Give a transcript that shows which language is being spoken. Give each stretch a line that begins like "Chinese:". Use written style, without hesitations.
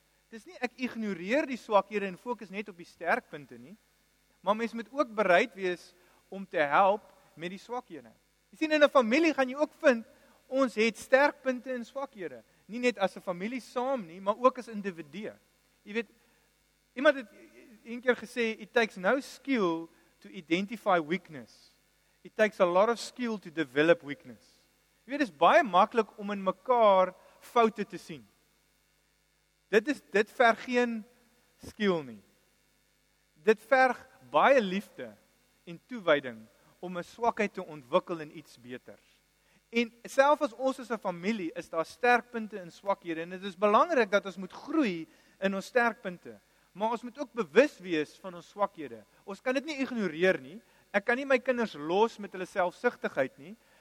Afrikaans: Dis nie ek ignoreer die swakhede en fokus net op die sterkpunte nie, maar mens moet ook bereid wees om te help met die swakhede. Jy sien, in 'n familie gaan jy ook vind, ons het sterkpunte en swakhede, nie net as 'n familie saam nie, maar ook as individue. Jy weet, Iemand het een keer gesê,
English: it takes no skill to identify weakness. It takes a lot of skill to develop weakness.
Afrikaans: Jy weet, dit is baie maklik om in mekaar foute te sien. Dit verg geen skill nie. Dit verg baie liefde en toewyding om 'n swakheid te ontwikkel in iets beter. En selfs as ons as 'n familie is daar sterkpunte en swakhede en dit is belangrik dat ons moet groei in ons sterkpunte. Maar ons moet ook bewus wees van ons swakhede. Ons kan dit nie ignoreer nie. Ek kan nie my kinders los met hulle selfsugtigheid nie.